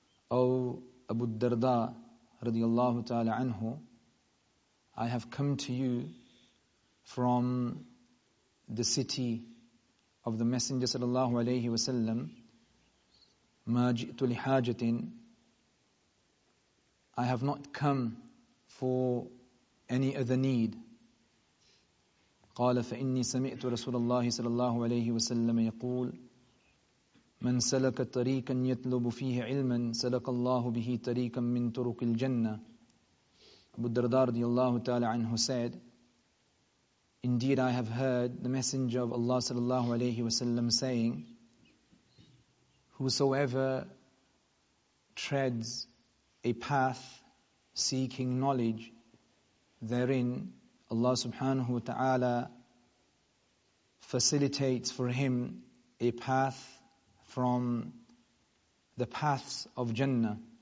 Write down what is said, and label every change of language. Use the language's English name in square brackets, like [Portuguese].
[English] O Abu Darda radiallahu ta'ala anhu, I have come to you from the city of the Messenger sallallahu alayhi wa sallam. [Arabic] Ma ji'tu li hajatin, [English] I have not come for any other need. [Arabic] Qala fa inni sami'tu Rasulullah sallallahu alayhi wa sallam yaqul: من سلك طريقا يطلب فيه علما سلك الله به طريقا من طرق الجنة. [English] Abu Darda radiallahu ta'ala anhu said, indeed I have heard the Messenger of Allah sallallahu alayhi wa sallam saying, whosoever treads a path seeking knowledge, therein Allah subhanahu wa ta'ala facilitates for him a path from the paths of Jannah.